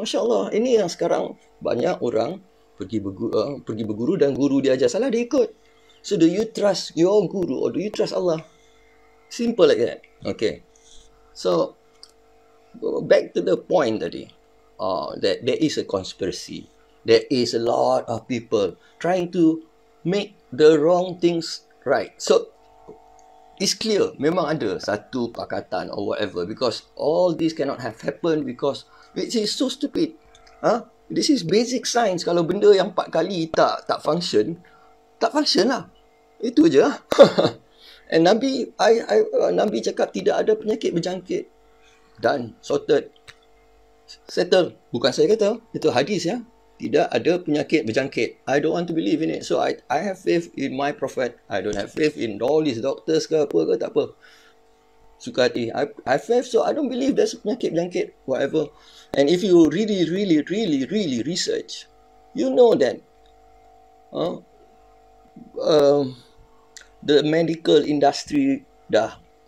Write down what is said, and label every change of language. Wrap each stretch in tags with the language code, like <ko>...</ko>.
<ms>Masya Allah, ini yang sekarang banyak orang pergi berguru dan guru dia ajar salah, dia ikut.</ms> <en>So, do you trust your guru or do you trust Allah? Simple like that. Okay. So, back to the point tadi. That there is a conspiracy. There is a lot of people trying to make the wrong things right. So, it's clear.</en> <ms>Memang ada satu pakatan</ms> <en>or whatever. Because all this cannot have happened because it is so stupid.</en> <ms>Huh?</ms> <en>This is basic science.</en> <ms>Kalau benda yang 4 kali tak function, tak function lah. Itu je. And Nabi cakap tidak ada penyakit berjangkit.</ms> <en>Done. Sorted. Settle.</en> <ms>Bukan saya kata. Itu hadis ya. Tidak ada penyakit berjangkit.</ms> <en>I don't want to believe in it. So I have faith in my prophet. I don't have faith in all these doctors</en> <ms>ke apa ke. Tak apa. Suka hati.</ms> <en>I have faith. So I don't believe there's</en> <ms>penyakit berjangkit.</ms> <en>Whatever. And if you really, really, really, really research, you know that the medical industry dah.</en>